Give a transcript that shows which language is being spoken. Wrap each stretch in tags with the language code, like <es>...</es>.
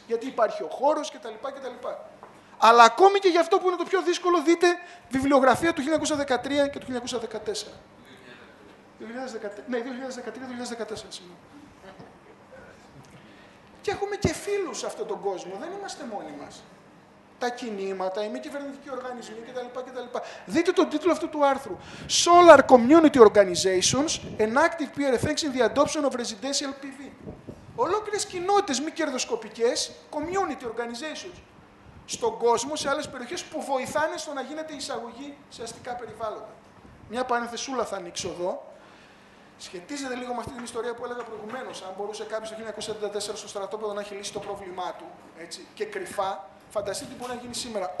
<el>Γιατί υπάρχει ο χώρος κτλ. Κτλ. Αλλά ακόμη και για αυτό που είναι το πιο δύσκολο, δείτε βιβλιογραφία του 1913 και του 1914. 2014. Ναι, 2013-2014, σημαίνει. Και έχουμε και φίλους σε αυτόν τον κόσμο, δεν είμαστε μόνοι μας. Τα κινήματα, οι μη κυβερνητικοί οργανισμοί κτλ. Κτλ. Δείτε τον τίτλο αυτού του άρθρου.</el> <en>Solar Community Organizations, an active peer effect in the adoption of residential PV.</en> <el>Ολόκληρες κοινότητες μη κερδοσκοπικές, community organizations. Στον κόσμο, σε άλλες περιοχές που βοηθάνε στο να γίνεται εισαγωγή σε αστικά περιβάλλοντα. Μια παρένθεσούλα θα ανοίξω εδώ. Σχετίζεται λίγο με αυτή την ιστορία που έλεγα προηγουμένως. Αν μπορούσε κάποιος το 1974 στο στρατόπεδο να έχει λύσει το πρόβλημά του, έτσι, και κρυφά, φανταστείτε τι μπορεί να γίνει σήμερα.</el>